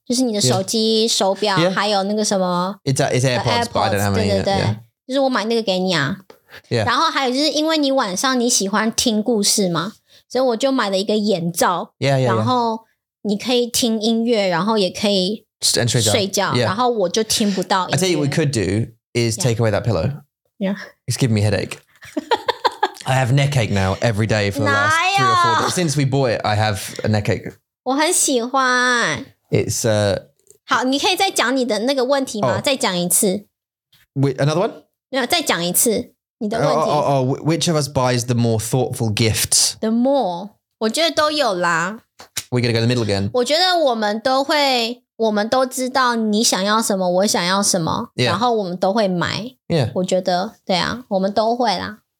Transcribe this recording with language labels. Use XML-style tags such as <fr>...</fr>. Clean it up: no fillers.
<zh>就是你的手机、手表、还有那个什么。</zh> <en>It's AirPods, but I don't have any.</en> <zh>对对对。就是我买那个给你啊。</zh> <en>Yeah.</en> <zh>然后还有就是因为你晚上你喜欢听故事嘛。所以我就买了一个眼罩。</zh> <en>Yeah, yeah.</en> <zh>然后你可以听音乐然后也可以睡觉。然后我就听不到。</zh> <en>I tell you what we could do is take away that pillow. Yeah. It's giving me a headache. I have neck ache now every day for the last 3 or 4 days. Since we bought it, I have a neck ache.</en> <zh>我很喜欢。</zh> <en>It's</en> <zh>好，你可以再讲你的那个问题吗？再讲一次。</zh> <en>Wait, another one?</en> <zh>没有，再讲一次你的问题。</zh> <en>Which of us buys the more thoughtful gifts?</en> <zh>The more, 我觉得都有啦。</zh> <en>We're gonna go in the middle again.</en> <zh>我觉得我们都知道你想要什么，我想要什么，</zh> <en>yeah.</en> <zh>然后我们都会买。</zh> <en>Yeah.</en> <zh>我觉得对啊，我们都会啦。</zh>